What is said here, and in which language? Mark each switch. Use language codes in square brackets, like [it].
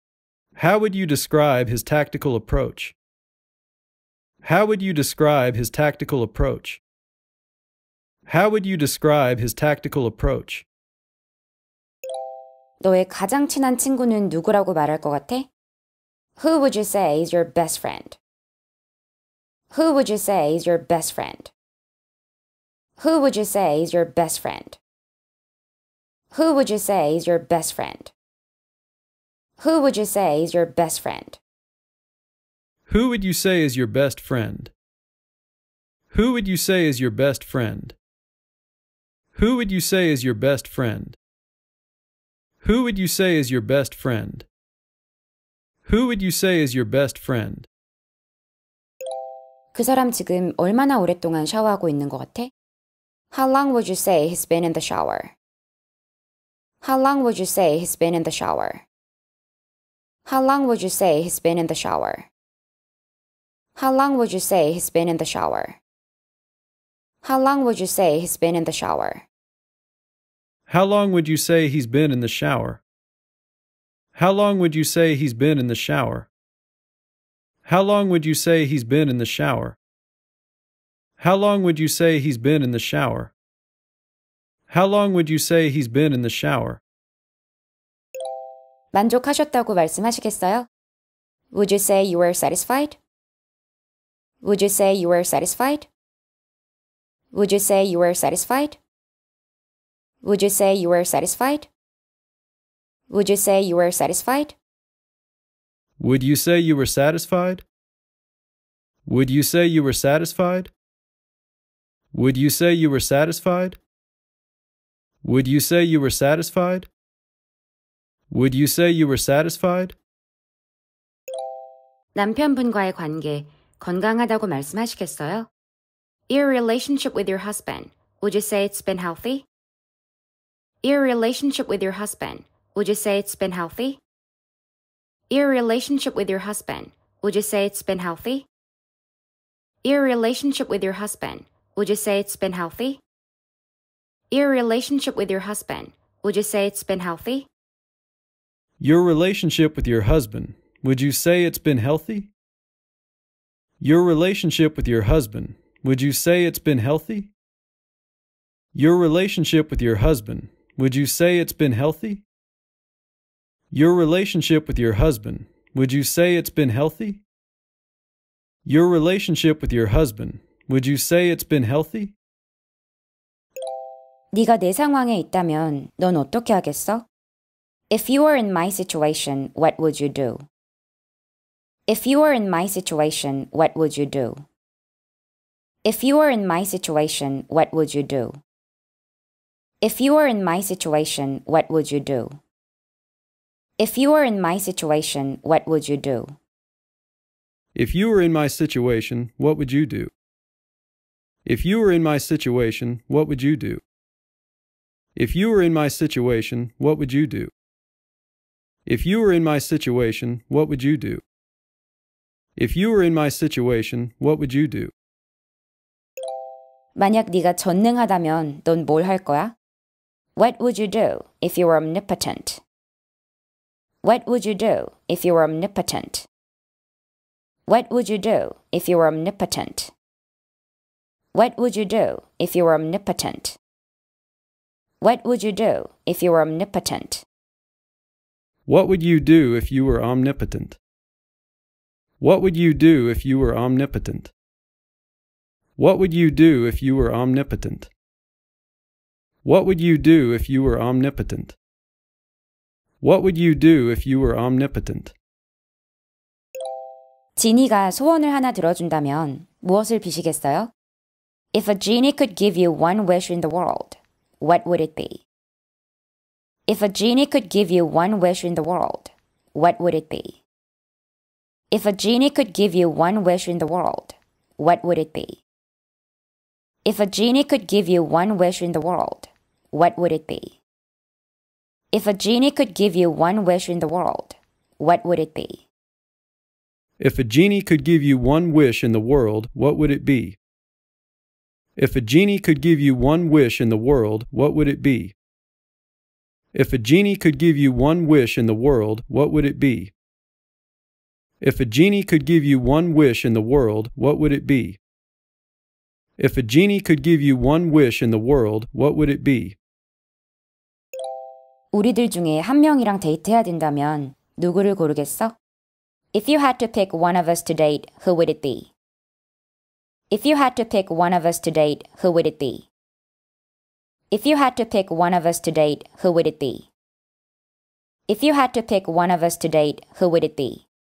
[en] How would you describe his tactical approach? How would you describe his tactical approach? How would you describe his tactical approach? [ko] 너의 가장 친한 친구는 누구라고 말할 것 같아? [en] Who would you say is your best friend? Who would you say is your best friend? Who would you say is your best friend? Who would you say is your best friend? Who would you say is your best friend? Who would you say is your best friend? Who would you say is your best friend? Who would you say is your best friend? Who would you say is your best friend? Who would you say is your best friend? [ko] 그 사람 지금 얼마나 오랫동안 샤워하고 있는 것 같아? [en] How long would you say he's been in the shower? How long would you say he's been in the shower? How long would you say he's been in the shower? How long would you say he's been in the shower? How long would you say he's been in the shower? How long would you say he's been in the shower? How long would you say he's been in the shower? How long would you say he's been in the shower? How long would you say he's been in the shower? How long would you say he's been in the shower? [ko] 만족하셨다고 말씀하시겠어요? [en] Would you say you were satisfied? Would you say you were satisfied? Would you say you were satisfied? Would you say you were satisfied? Would you say you were satisfied? Would you say you were satisfied? Would you say you were satisfied? Would you say you were satisfied? Would you say you were satisfied? Would you say you were satisfied? [ko] 남편분과의 관계 건강하다고 말씀하시겠어요? [en] Your relationship with your husband, would you say it's been healthy? Your relationship with your husband, Would you say it's been healthy? Your relationship with your husband. Would you say it's been healthy? Your relationship with your husband. Would you say it's been healthy? Your relationship with your husband. Would you say it's been healthy? Your relationship with your husband. Would you say it's been healthy? Your relationship with your husband. Would you say it's been healthy? Your relationship with your husband. Would you say it's been healthy? Your relationship with your husband. Would you say it's been healthy? Your relationship with your husband. Would you say it's been healthy? [ko] 네가 내 상황에 있다면 넌 어떻게 하겠어? [en] If you were in my situation, what would you do? If you were in my situation, what would you do? If you were in my situation, what would you do? If you were in my situation, what would you do? If you were in my situation, what would you do? If you were in my situation, what would you do? If you were in my situation, what would you do? If you were in my situation, what would you do? If you were in my situation, what would you do? If you were in my situation, what would you do? [ko] 만약 네가 전능하다면 넌 뭘 할 거야? [en] What would you do if you were omnipotent? What would you do if you were omnipotent? What would you do if you were omnipotent? What would you do if you were omnipotent? What would you do if you were omnipotent? What would you do if you were omnipotent? What would you do if you were omnipotent? What would you do if you were omnipotent? What would you do if you were omnipotent? What would you do if you were omnipotent? [ko] 지니가 소원을 하나 들어준다면 무엇을 비시겠어요? [en] If a genie could give you one wish in the world, what would it be? If a genie could give you one wish in the world, what would it be? If a genie could give you one wish in the world, what would it be? If a genie could give you one wish in the world, what would it be? If a genie could give you one wish in the world, what would it be? If a genie could give you one wish in the world, what would it be? If a genie could give you one wish in the world, what would it be? If a genie could give you one wish in the world, what would it be? If a genie could give you one wish in the world, what would it be? If a genie could give you one wish in the world, what would it be? [ko] 우리들 중에 한 명이랑 데이트해야 된다면 누구를 고르겠어? [en] If you had to pick one of us to date, who would it be? If you had to pick one of us to date, who would it be? If you had to pick one of us to date, who would it be? If you had to pick one of us to date, who would it be?